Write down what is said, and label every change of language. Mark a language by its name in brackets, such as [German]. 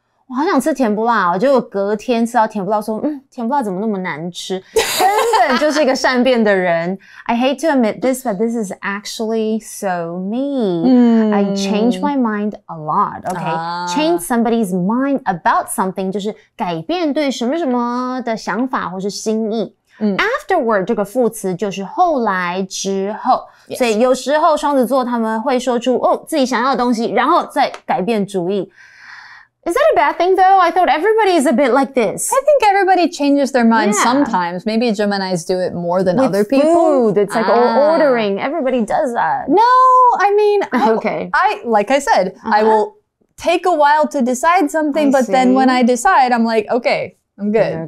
[Chinese] 我好想吃甜不辣哦，结果隔天吃到甜不辣说，甜不辣怎么那么难吃，根本就是一个善变的人。 [English] I hate to admit this, but this is actually so me. I change my mind a lot, okay? Change somebody's mind about something, 就是改变对什么什么的想法或是心意。 [Chinese] Afterward 这个副词就是后来之后、yes. 所以有时候双子座他们会说出、oh, 自己想要的东西然后再改变主意。 [English] Is that a bad thing though? I thought everybody is a bit like this. I think everybody changes their mind、yeah. sometimes. Maybe Geminis do it more than、 With、 other people. Food. It's like、ah. ordering. Everybody does that. No, I mean, I, like I said,、uh-huh. I will take a while to decide something,、I、but、see. Then when I decide, I'm like, okay, I'm good.